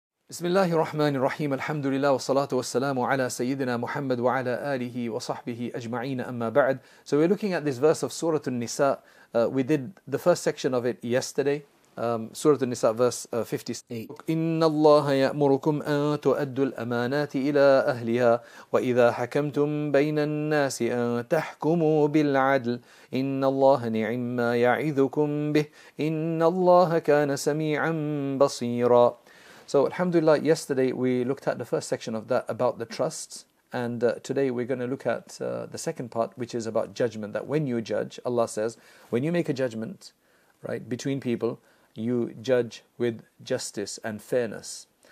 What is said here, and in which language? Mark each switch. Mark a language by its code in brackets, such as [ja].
[ar] بسم الله الرحمن الرحيم الحمد لله والصلاة والسلام على سيدنا محمد وعلى آله وصحبه أجمعين أما بعد. [en] So we're looking at this verse of Surah An-Nisa. We did the first section of it yesterday. Surah An-Nisa verse 58. [ar] إن الله يأمركم أن تؤدوا الأمانات إلى أهلها وإذا حكمتم بين الناس أن تحكموا بالعدل إن الله نعما يعظكم به إن الله كان سميعا بصيرا. [en] So alhamdulillah, yesterday we looked at the first section of that about the trusts, and today we're going to look at the second part, which is about judgment, that when you judge, Allah says, when you make a judgment, right, between people, you judge with justice and fairness.